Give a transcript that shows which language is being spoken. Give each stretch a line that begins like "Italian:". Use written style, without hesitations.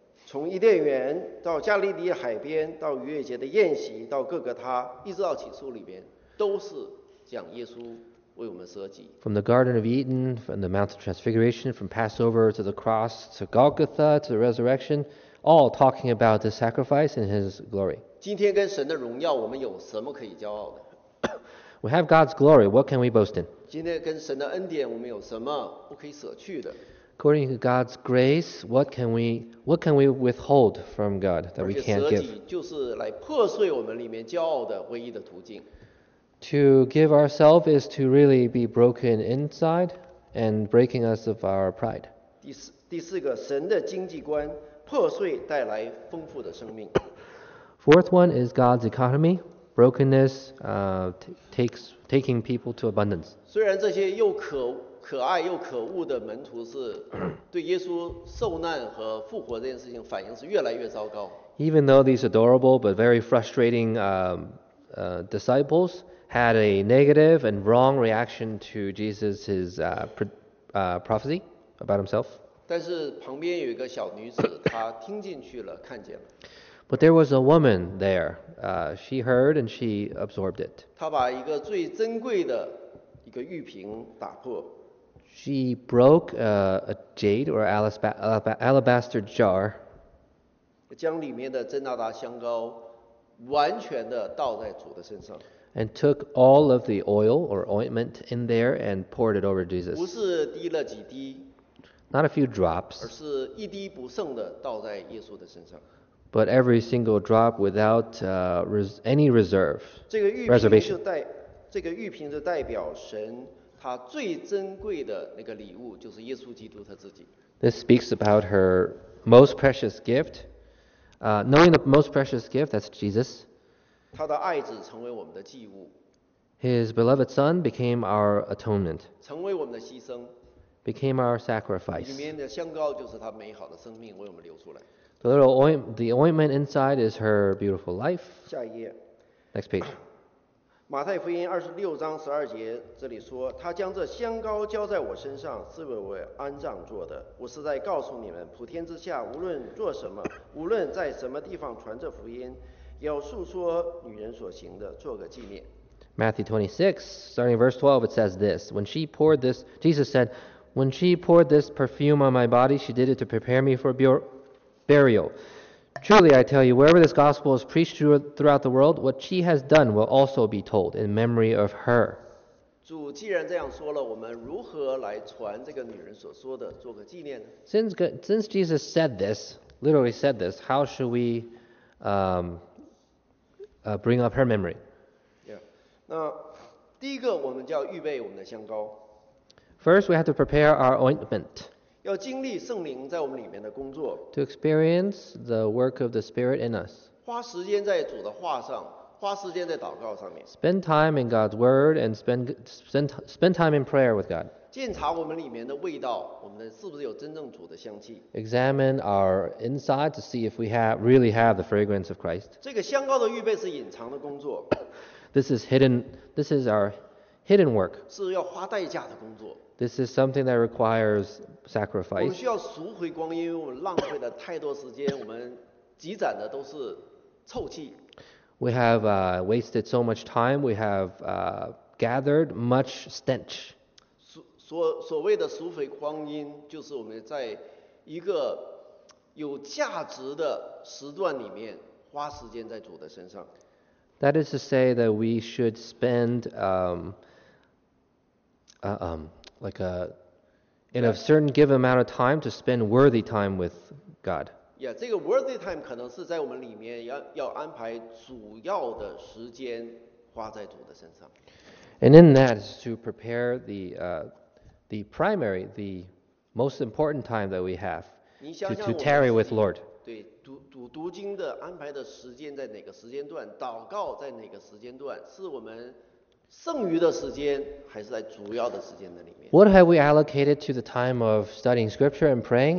Chinese: 从伊甸园到加利利海边，到逾越节的宴席，到各个他，一直到启示录里边，都是讲耶稣为我们舍己。
English: From the Garden of Eden, from the Mount of Transfiguration, from Passover to the cross, to Golgotha, to the resurrection, all talking about the sacrifice and his glory.
Chinese: 今天跟神的荣耀，我们有什么可以骄傲的？
English: We have God's glory. What can we boast in?
Chinese: 今天跟神的恩典，我们有什么不可以舍去的？
English: According to God's grace, what can we withhold from God that we can't give?
Chinese: 而且舍己就是来破碎我们里面骄傲的唯一的途径。
English: To give ourselves is to really be broken inside and breaking us of our pride.
Chinese: 第四个，神的经济观，破碎带来丰富的生命。
English: Fourth one is God's economy. Brokenness taking people to abundance.
Chinese: 虽然这些又可爱又可恶的门徒是对耶稣受难和复活这件事情反应是越来越糟糕。
English: Even though these adorable but very frustrating disciples had a negative and wrong reaction to Jesus' prophecy about himself.
Chinese: 但是旁边有一个小女子，她听进去了，看见了。
English: But there was a woman there. She heard and she absorbed it.
Chinese: 她把一个最珍贵的一个玉瓶打破。
English: She broke a jade or alabaster jar.
Chinese: 将里面的真纳达香膏完全的倒在主的身上。
English: And took all of the oil or ointment in there and poured it over Jesus.
Chinese: 不是滴了几滴。
English: Not a few drops.
Chinese: 而是一滴不剩的倒在耶稣的身上。
English: But every single drop without any reserve.
Chinese: 这个玉瓶reservation. 这个玉瓶就代表神。他最珍贵的那个礼物就是耶稣基督他自己。
English: This speaks about her most precious gift. Knowing the most precious gift, that's Jesus.
Chinese: 他的爱子成为我们的祭物。
English: His beloved son became our atonement.
Chinese: 成为我们的牺牲。
English: Became our sacrifice.
Chinese: 里面的香膏就是他美好的生命为我们流出来。
English: The ointment inside is her beautiful life.
Chinese: 下一页。
English: Next page.
Chinese: 马太福音26:12，这里说，他将这香膏浇在我身上，是为我安葬做的。我是在告诉你们，普天之下，无论做什么，无论在什么地方传这福音，要述说女人所行的，做个纪念。
English: Matthew 26, starting in verse 12, it says this. Jesus said, "When she poured this perfume on my body, she did it to prepare me for burial. Truly, I tell you, wherever this gospel is preached throughout the world, what she has done will also be told in memory of her."
Chinese: 主既然这样说了，我们如何来传这个女人所说的，做个纪念呢？
English: Since Jesus said this, literally said this, how should we bring up her memory? Yeah.
Chinese: 那第一个，我们就要预备我们的香膏。
English: First, we have to prepare our ointment.
Chinese: 要经历圣灵在我们里面的工作。
English: To experience the work of the Spirit in us.
Chinese: 花时间在主的话上。花时间在祷告上面。
English: Spend time in God's word and spend time in prayer with God.
Chinese: 检查我们里面的味道，我们是不是有真正主的香气。
English: Examine our inside to see if we really have the fragrance of Christ.
Chinese: 这个香膏的预备是隐藏的工作。
English: This is our hidden work.
Chinese: 是要花代价的工作。
English: This is something that requires sacrifice.
Chinese: 我们需要赎回光阴，因为我们浪费了太多时间，我们积攒的都是臭气。
English: We have wasted so much time. We have gathered much stench.
Chinese: 所谓的赎回光阴，就是我们在一个有价值的时段里面花时间在主的身上。
English: That is to say that we should spend in a certain given amount of time to spend worthy time with God.
Chinese: Yeah, 这个
English: worthy time
Chinese: 可能是在我们里面 要安排主要的时间花在主的身上。
English: And in that is to prepare the primary, the most important time that we have to tarry with Lord.
Chinese: 对，读经的安排的时间在哪个时间段，祷告在哪个时间段，是我们剩余的时间还是在主要的时间的里面。
English: What have we allocated to the time of studying scripture and praying?